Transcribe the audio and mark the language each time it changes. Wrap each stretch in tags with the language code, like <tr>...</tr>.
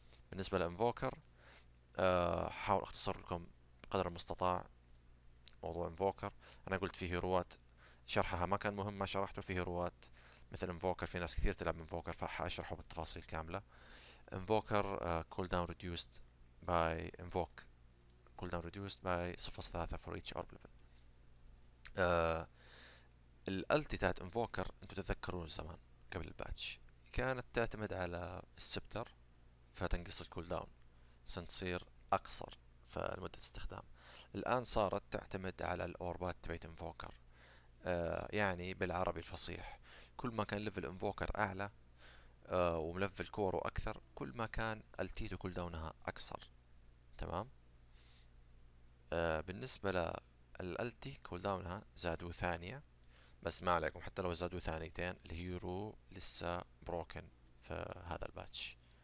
<ar>بالنسبة لانفوكر، حاول اختصر لكم بقدر المستطاع موضوع انفوكر. انا قلت فيه هيروات شرحها ما كان مهم ما شرحته، فيه هيروات مثل انفوكر، في ناس كثير تلعب انفوكر فحاشرحه بالتفاصيل كاملة.</ar> <en>Invoker cooldown reduced by invoke cooldown reduced by 0.3 for each orb level.</en> <ar>الالتي تاعت انفوكر انتو تتذكرون زمان قبل الباتش كانت تعتمد على السبتر فتنقص الكول داون، سنتصير اقصر في مدة استخدام. الان صارت تعتمد على الاوربات تبعت انفوكر، يعني بالعربي الفصيح، كل ما كان ليفل انفوكر اعلى وملف الكور واكثر، كل ما كان التيتو كول داونها اكثر، تمام؟ بالنسبة للالتي كول داونها زادوا ثانية، بس ما عليكم، حتى لو زادوا ثانيتين الهيرو لسه بروكن في هذا الباتش.</ar>